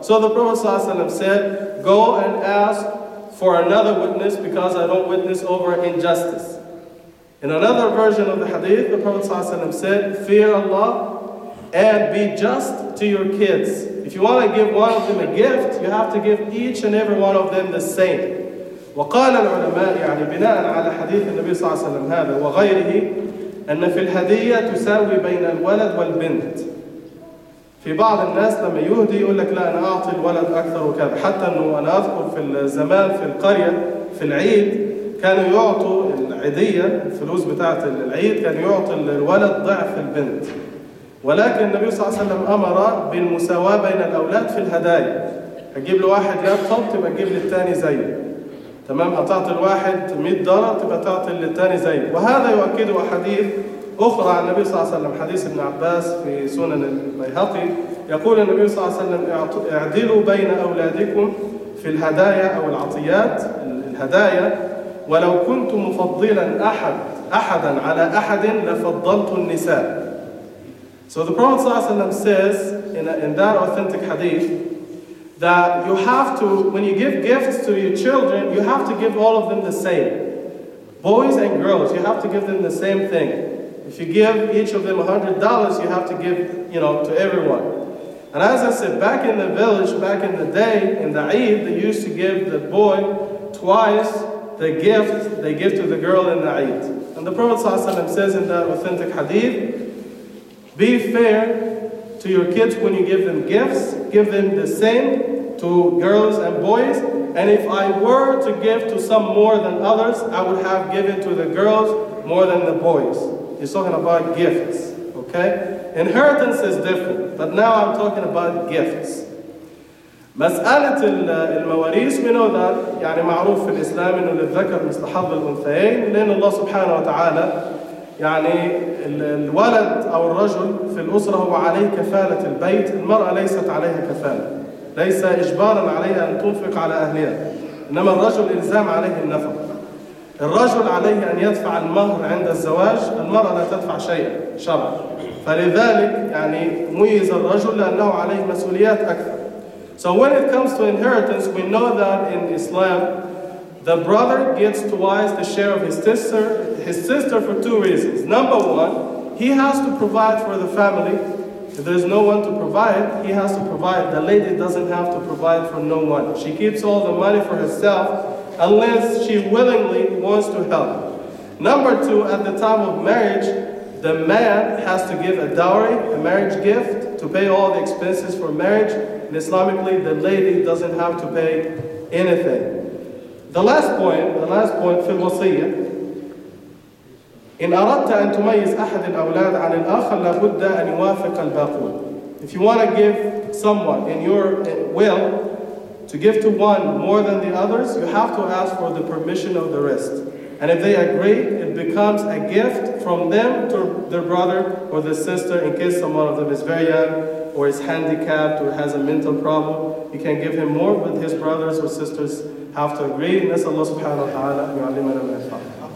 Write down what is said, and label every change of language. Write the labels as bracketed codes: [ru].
[en] So the Prophet ﷺ said, go and ask for another witness because I don't witness over injustice. In another version of the hadith, the Prophet ﷺ said, fear Allah and be just to your kids. If you want to give one of them a gift, you have to give each and every one of them the same. [ar] وقال العلماء يعني بناء على حديث النبي صلى الله عليه وسلم هذا وغيره أن في الهدية تساوي بين الولد والبنت. في بعض الناس لما يهدي يقول لك لا أنا أعطي الولد أكثر وكذا. حتى أنه أنا أذكر في الزمان في القرية في العيد كانوا يعطوا العيدية الفلوس بتاعة العيد كان يعطي الولد ضعف البنت. ولكن النبي صلى الله عليه وسلم أمر بالمساواة بين الأولاد في الهدايا. أجيب له واحد لابتوب تبقى أجيب للثاني زيه. تمام أعطيت الواحد 100 دولار تبقى تعطي للثاني زيه. وهذا يؤكده حديث أخرى عن النبي صلى الله عليه وسلم حديث ابن عباس في سنن البيهقي يقول النبي صلى الله عليه وسلم اعدلوا بين أولادكم في الهدايا أو العطيات الهدايا ولو كنت مفضلا أحدا على أحد لفضلت النساء. [en] So the Prophet صلى الله عليه وسلم says in that authentic hadith that you have to, when you give gifts to your children, you have to give all of them the same. Boys and girls, you have to give them the same thing. If you give each of them $100, you have to give, you know, to everyone. And as I said, back in the village, back in the day, in the Eid, they used to give the boy twice the gift they give to the girl in the Eid. And the Prophet ﷺ says in that authentic hadith, be fair to your kids when you give them gifts, give them the same to girls and boys, and if I were to give to some more than others, I would have given to the girls more than the boys. He's talking about gifts, okay? Inheritance is different, but now I'm talking about gifts. [ar] مسألة المواريث, [en] we know that, [ar] يعني معروف في الإسلام إنه للذكر مثل حظ الأنثيين, لأن الله سبحانه وتعالى يعني الولد أو الرجل في الأسرة هو عليه كفالة البيت, المرأة ليست عليها كفالة, ليس إجبارا عليها أن تنفق على أهلها, إنما الرجل إلزام عليه النفقة. الرجل عليه أن يدفع المهر عند الزواج, المرأة لا تدفع شيئا شرعا. فلذلك يعني ميز الرجل لأنه عليه مسؤوليات أكثر. [en] So when it comes to inheritance, we know that in Islam, the brother gets twice the share of his sister for two reasons. Number one, he has to provide for the family. If there's no one to provide, he has to provide. The lady doesn't have to provide for no one. She keeps all the money for herself unless she willingly wants to help. Number two, at the time of marriage, the man has to give a dowry, a marriage gift, to pay all the expenses for marriage. And Islamically, the lady doesn't have to pay anything. The last point [ar] في الوصية. إن أردت أن تميز أحد الأولاد عن الآخر لابد أن يوافق الباقون. [en] If you want to give someone in your will to give to one more than the others, you have to ask for the permission of the rest. And if they agree, it becomes a gift from them to their brother or their sister in case someone of them is very young or is handicapped or has a mental problem. You can give him more, but his brothers or sisters have to agree. [ar] نسأل الله سبحانه وتعالى أن يعلمنا ما ينفعنا.